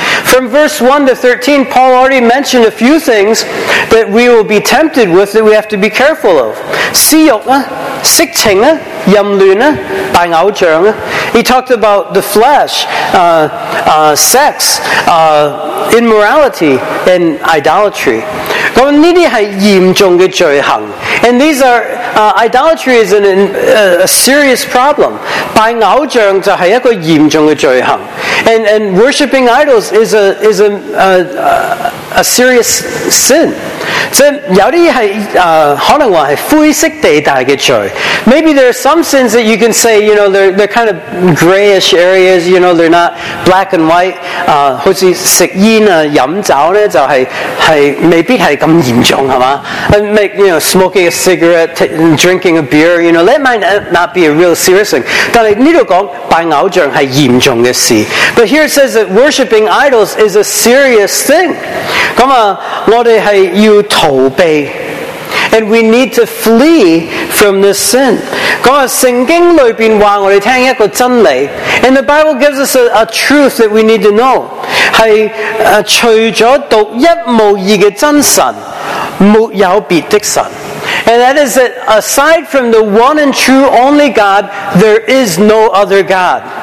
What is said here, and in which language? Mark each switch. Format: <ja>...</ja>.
<en>From verse 1 to 13, Paul already mentioned a few things that we will be tempted with that we have to be careful of.</en> <yue>私欲啊，色情啊，淫乱啊，拜偶像啊。</yue> <en>He talked about the flesh, sex, immorality, and idolatry.</en> <yue>咁呢啲系严重嘅罪行。</yue> <en>And these are, idolatry is a serious problem.</en> <yue>拜偶像就系一个严重嘅罪行。</yue> <en>And worshipping idols is a serious sin.</en> <yue>即有啲系可能话系灰色地带嘅罪。</yue> <en>Maybe there are some sins that you can say, you know, they're kind of grayish areas, you know, they're not black and white.</en> <yue>好似食烟啊、饮酒咧，就系未必系咁严重，系嘛 ？</yue> <en>And make you know, smoking a cigarette, drinking a beer, you know, that might not be a real serious thing.</en> <yue>但系呢度讲拜偶像系严重嘅事。</yue> <en>But here it says that worshiping idols is a serious thing.</en> <yue>咁啊，我哋系要逃避。</yue> <en>And we need to flee from this sin.</en> <yue>咁啊，圣经里边话我哋听一个真理。</yue> <en>And the Bible gives us a truth that we need to know.</en> <yue>系除咗独一无二嘅真神，没有别的神。</yue> <en>And that is that aside from the one and true only God, there is no other God.</en>